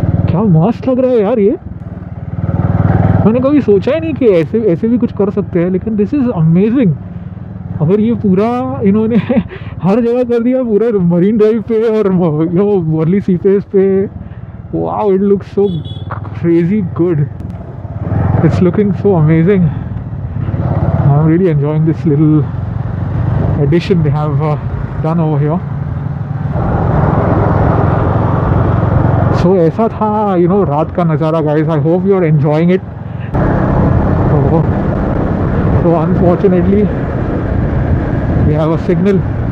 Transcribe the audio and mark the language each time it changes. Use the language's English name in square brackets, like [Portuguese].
[Hindi] क्या मस्त लग रहा है यार ये, मैंने कभी सोचा ही नहीं कि ऐसे भी कुछ कर सकते हैं, लेकिन [English] This is amazing. [Hindi] अगर ये पूरा इन्होंने हर जगह कर दिया, पूरा मरीन ड्राइव पे और you know Worli C face पे, [English] Wow it looks so crazy good, it's looking so amazing. I'm really enjoying this little addition they have done over here. [Hindi] So, ऐसा था, [English] you know, [Hindi] रात का नज़ारा, guys. [English] I hope you are enjoying it. So, unfortunately, we have a signal.